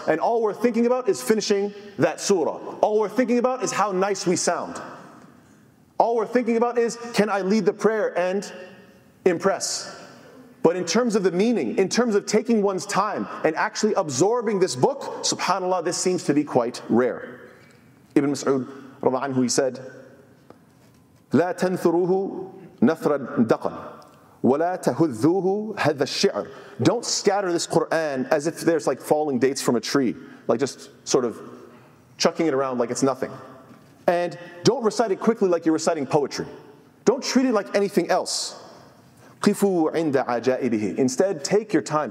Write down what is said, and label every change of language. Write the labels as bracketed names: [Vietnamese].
[English] And all we're thinking about is finishing that surah. All we're thinking about is how nice we sound. All we're thinking about is, can I lead the prayer and impress? But in terms of the meaning, in terms of taking one's time and actually absorbing this book, subhanAllah, this seems to be quite rare. [Arabic] Ibn Mas'ud رضي الله عنه, [English] he said, [Arabic] لا تنثروه نثر الدقن ولا تهذوه هذا الشعر. [English] Don't scatter this Quran as if there's like falling dates from a tree, like just sort of chucking it around like it's nothing. And don't recite it quickly like you're reciting poetry. Don't treat it like anything else. [Arabic] قفوا عند عجائبه. [English] Instead, take your time.